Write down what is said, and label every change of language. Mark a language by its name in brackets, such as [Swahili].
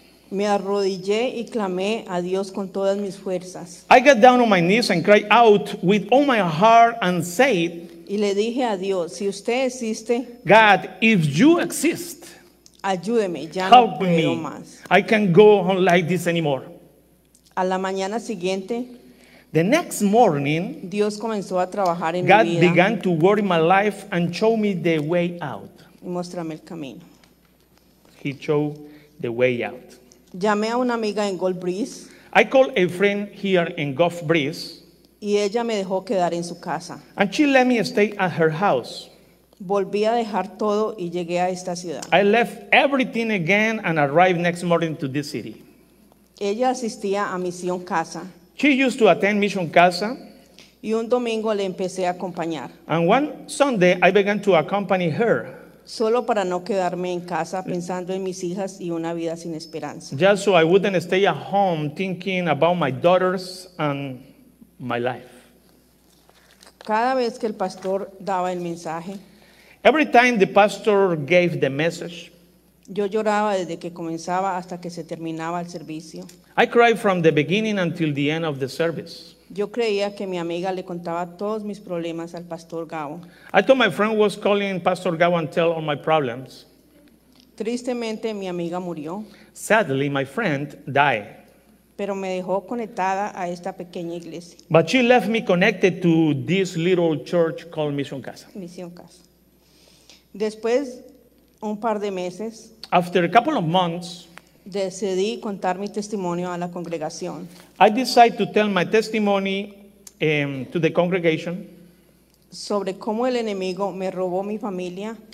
[Spanish] Me arrodillé y clamé a Dios con todas mis fuerzas. [English] I got down on my knees and cried out with all my heart and said. [Spanish] Y le dije a Dios, si usted existe. [English] God, if you exist. [Spanish] Ayúdeme, ya no puedo más. [English] I can't go on like this anymore. [Spanish] A la mañana siguiente. [English] The next morning. [Spanish] Dios comenzó a trabajar en [English] God [Spanish] mi vida. [English] Began to work in my life and show me the way out. [Spanish] Y muéstrame el camino. [English] He showed the way out. [Spanish] Llamé a una amiga en Gulf Breeze. [English] I called a friend here in Gulf Breeze. [Spanish] Y ella me dejó quedar en su casa. [English] And she let me stay at her house. [Spanish] Volví a dejar todo y llegué a esta ciudad. [English] I left everything again and arrived next morning to this city. [Spanish] Ella asistía a Misión Casa. [English] She used to attend Mission Casa. [Spanish] Y un domingo le empecé a acompañar. [English] And one Sunday I began to accompany her. [Spanish] Solo para no quedarme en casa pensando en mis hijas y una vida sin esperanza. [English] Just so I wouldn't stay at home thinking about my daughters and my life. [Spanish] Cada vez que el pastor daba el mensaje. [English] Every time the pastor gave the message. [Spanish] Yo lloraba desde que comenzaba hasta que se terminaba el servicio. [English] I cried from the beginning until the end of the service. [Spanish] Yo creía que mi amiga le contaba todos mis problemas al Pastor Gabo. [English] I thought my friend was calling Pastor Gabo and tell all my problems. [Spanish] Tristemente, mi amiga murió. [English] Sadly, my friend died. [Spanish] Pero me dejó conectada a esta pequeña iglesia. [English] But she left me connected to this little church called Mission Casa. [Spanish] Mission Casa. Después, un par de meses. [English] After a couple of months. [Spanish] Decidí contar mi testimonio a la congregación. [English] I decided to tell my testimony to the congregation. [Spanish] Sobre cómo el enemigo me robó mi familia.